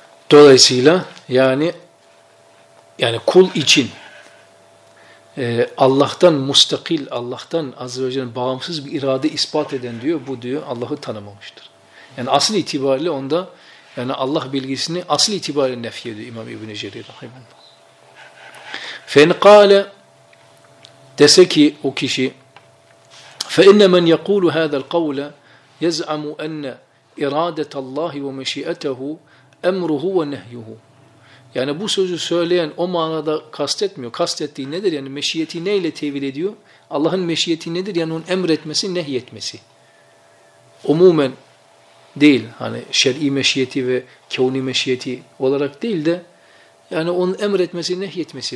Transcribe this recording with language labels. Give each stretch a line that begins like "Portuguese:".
Turkish: Dolayısıyla yani kul için Allah'tan müstakil, Allah'tan azze ve celle bağımsız bir irade ispat eden diyor, bu diyor Allah'ı tanımamıştır. Yani asıl itibariyle onda yani Allah bilgisini asıl itibariyle nefy ediyor İmam İbn-i Cerir rahimehullah.
Arabic: Fenkale
Turkish: dese ki o kişi
Arabic: فَاِنَّ مَنْ يَقُولُ هَذَا الْقَوْلَ يَزْعَمُ اَنَّ اِرَادَةَ اللّٰهِ وَمَشِئَتَهُ اَمْرُهُ وَنَهْيُهُ.
Turkish: Yani bu sözü söyleyen o manada kastetmiyor. Kastettiği nedir? Yani meşiyeti neyle tevil ediyor? Allah'ın meşiyeti nedir? Yani onun emretmesi, nehyetmesi. Umumen değil. Hani şer'i meşiyeti ve kevni meşiyeti olarak değil de yani onun emretmesi, nehyetmesi.